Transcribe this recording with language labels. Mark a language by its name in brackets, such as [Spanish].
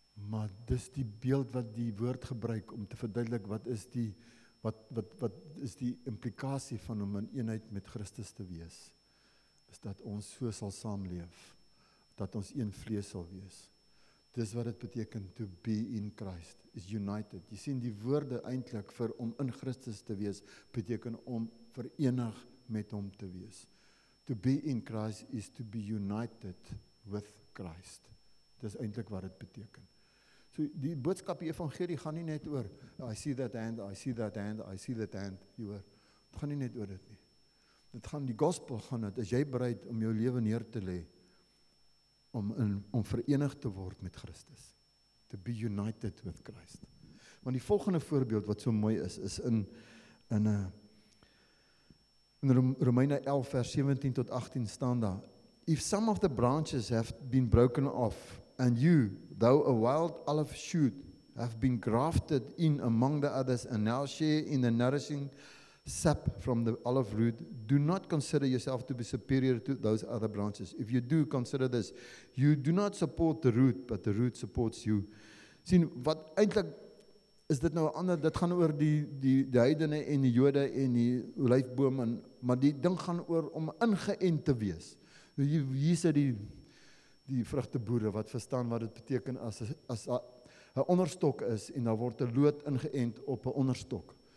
[Afrikaans] Maar dis die beeld wat die woord gebruik om te verduidelik wat is die wat is die implikasie van om in eenheid met Christus te wees. Is dat ons so sal saamleef. Dat ons een vlees sal wees. Dis wat het beteken [English] to be in Christ. Is united. [Afrikaans] Jy sien die woorde eintlik vir om in Christus te wees beteken om verenig met hom te wees. [English] To be in Christ is to be united with Christ. [Afrikaans] Dis eintlik wat het beteken. So die boodskap die evangelie gaan nie net oor [English] I see that hand, [Afrikaans] I see that hand, I see that hand, jy hoor. Dit gaan nie net oor dit nie. Dit gaan die gospel gaan dat as jy bereid om jou lewe neer te lê om in, om verenig te word met Christus. [English] To be united with Christ. [Afrikaans] Want die volgende voorbeeld wat so mooi is is in Romeine 11 vers 17 tot 18 staan daar. [English] If some of the branches have been broken off and you though a wild olive shoot have been grafted in among the others and now share in the nourishing sap from the olive root, do not consider yourself to be superior to those other branches. If you do, consider this. You do not support the root, but the root supports you. [Afrikaans] Sien, wat eintlik is dit nou ander, dit gaan oor die heidene en die jode en die olijfboom, en, maar die ding gaan oor om ingeënt te wees. Hier sê die vrugteboere wat verstaan wat dit beteken as 'n onderstok is en daar word 'n loot ingeënt op 'n onderstok.